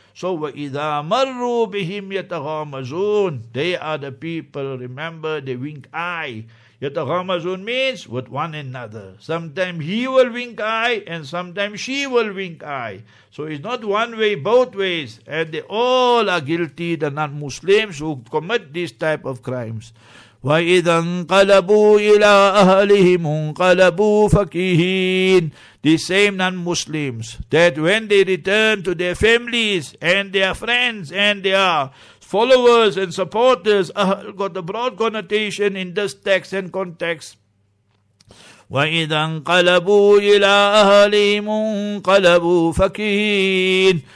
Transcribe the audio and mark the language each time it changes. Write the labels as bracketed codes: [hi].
[en] So [ar] وَإِذَا مَرُّوا بِهِمْ يَتَغَامَزُونَ [en] They are the people, remember, they wink eye. يَتَغَامَزُونَ means with one another. Sometimes he will wink eye and sometimes she will wink eye. So it's not one way, both ways. And they all are guilty, the non-Muslims who commit these type of crimes. [ar] وإذا انقلبوا إلى أهلهم انقلبوا فكهين. [en] The same non-Muslims, that when they return to their families and their friends and their followers and supporters, Ahl got the broad connotation in this text and context. [ar] وَإِذَا انْقَلَبُوا إِلَىٰ أَهَلِهِمُ انْقَلَبُوا فَكِهِينَ.